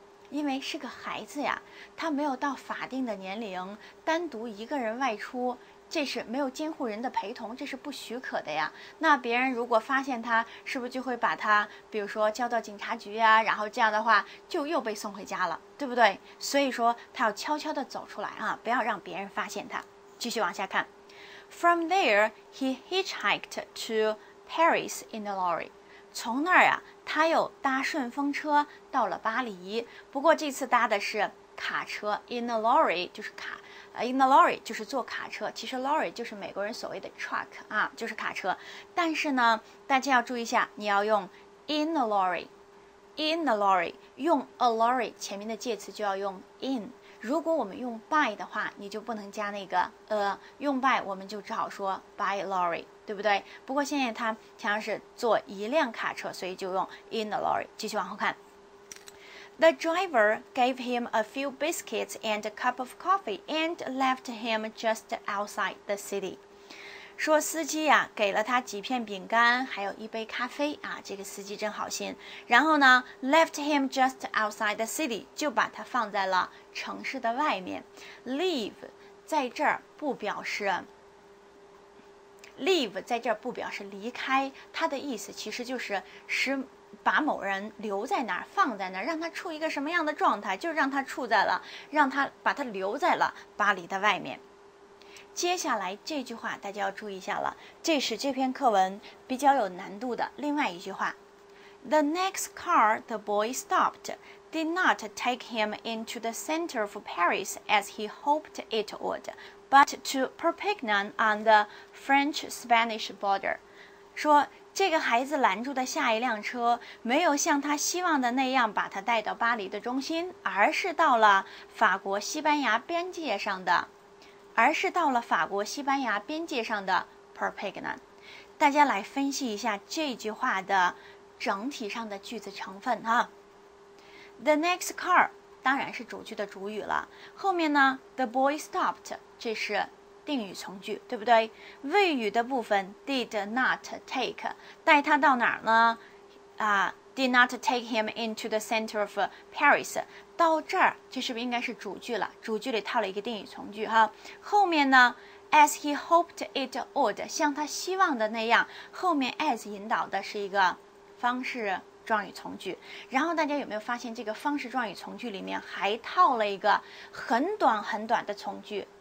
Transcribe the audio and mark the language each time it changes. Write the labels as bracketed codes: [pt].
[zh] 因为是个孩子呀，他没有到法定的年龄，单独一个人外出，这是没有监护人的陪同，这是不许可的呀。那别人如果发现他，是不是就会把他比如说交到警察局呀，然后这样的话就又被送回家了，对不对？所以说他要悄悄地走出来啊，不要让别人发现他。继续往下看。 [en] From there, he hitchhiked to Paris in a lorry. [zh] 从那儿啊，他又搭顺风车到了巴黎。不过这次搭的是卡车 ， [en] in a lorry [zh] 就是卡。 [en] In the lorry [zh] 就是坐卡车，其实 lorry 就是美国人所谓的 truck 啊，就是卡车。但是呢，大家要注意一下，你要用 [en] in the lorry， [zh] in the lorry， 用 [en] a lorry [zh] 前面的介词就要用 in。如果我们用 by 的话，你就不能加那个用 by 我们就只好说 [en] by lorry， [zh] 对不对？不过现在他强是坐一辆卡车，所以就用 [en] in the lorry。 [zh] 继续往后看。 [en] The driver gave him a few biscuits and a cup of coffee and left him just outside the city. [zh] 说司机啊，给了他几片饼干，还有一杯咖啡啊，这个司机真好心。然后呢 , [en] left him just outside the city, [zh] 就把他放在了城市的外面。 Leave, 在这儿不表示。 Leave, 在这儿不表示离开，他的意思其实就是使把某人留在那儿，放在那儿，让他处一个什么样的状态，就让他处在了，让他把他留在了巴黎的外面。接下来这句话大家要注意一下了，这是这篇课文比较有难度的另外一句话。 [en] The next car the boy stopped did not take him into the center of Paris as he hoped it would, but to Perpignan on the French-Spanish border. [zh] 说这个孩子拦住的下一辆车没有像他希望的那样把他带到巴黎的中心，而是到了法国西班牙边界上的Perpignan。大家来分析一下这句话的整体上的句子成分哈。 [en] The next car [zh] 当然是主句的主语了，后面呢 [en] The boy stopped [zh] 这是定语从句，对不对？谓语的部分 [en] did not take [zh] 带他到哪儿呢？ [en] did not take him into the center of Paris。 [zh] 到这儿，这是不是应该是主句了？主句里套了一个定语从句哈。后面呢 ？ [en] As he hoped it would， [zh] 像他希望的那样。后面 as 引导的是一个方式状语从句。然后大家有没有发现，这个方式状语从句里面还套了一个很短很短的从句？